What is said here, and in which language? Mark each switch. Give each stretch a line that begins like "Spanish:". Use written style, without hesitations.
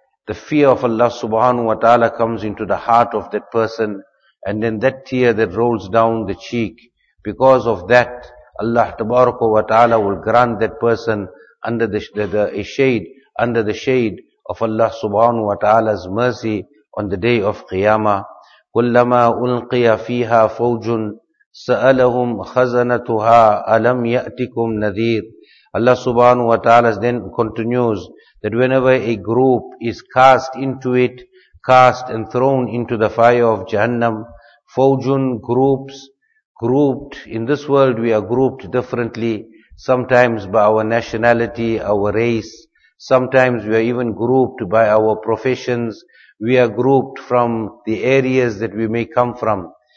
English: the fear of Allah subhanahu wa ta'ala comes into the heart of that person, and then that tear that rolls down the cheek, because of that, Allah tabaraka wa ta'ala will grant that person under the shade of Allah subhanahu wa ta'ala's mercy on the day of Qiyamah.
Arabic: كلما ألقي فيها فوج سألهم خزنتها ألم يأتكم نذير.
English: Allah subhanahu wa ta'ala then continues that whenever a group is cast into it, cast and thrown into the fire of Jahannam, fawjun, groups, grouped, in this world we are grouped differently, sometimes by our nationality, our race, sometimes we are even grouped by our professions, we are grouped from the areas that we may come from.